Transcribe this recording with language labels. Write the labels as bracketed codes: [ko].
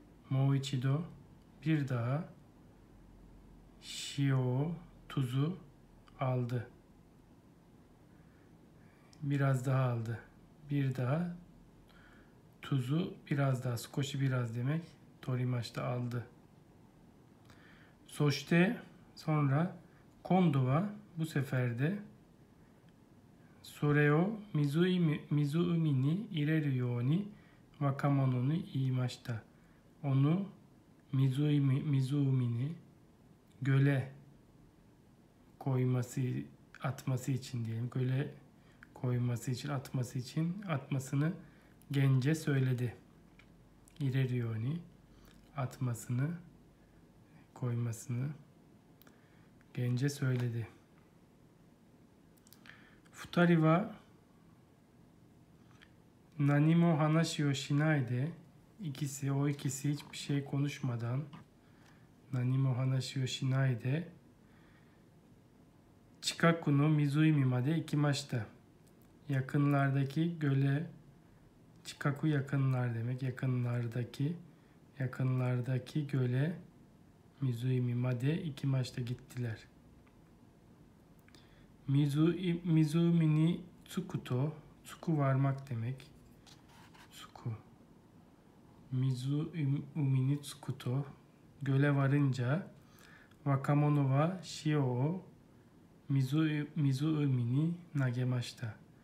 [ja] Mou ichido [tr] bir daha [ja] shio o [tr] tuzu aldı. Biraz daha aldı. Bir daha tuzu biraz daha [ja] sukoshi [tr] biraz demek [ja] torimashita [tr] aldı. [ja] Soshite [tr] sonra [ja] kondo wa [tr] bu sefer de [ja] それを湖に入れるように若者に言いました。 [tr] Onu [ja] 湖に [tr] göle koyması, atması için diyelim. Göle koyması için, atması için atmasını gence söyledi. [ja] 入れるように [tr] atmasını koymasını gence söyledi. [ja] 二人は何も話をしないで、お [tr] ikisi hiçbir şey konuşmadan, [ja] 何も話をしないで、近くの湖まで行きました。 [tr] Yakınlardaki göle, 近く yakınlar demek, yakınlardaki göle, [ja] 湖まで行きました、 [tr] gittiler。 [ja] 湖に着くと、着く [tr] varmak demek、 [ja] 湖に着くと、 [tr] göle varınca、 [ja] 若者は塩を湖に投げました。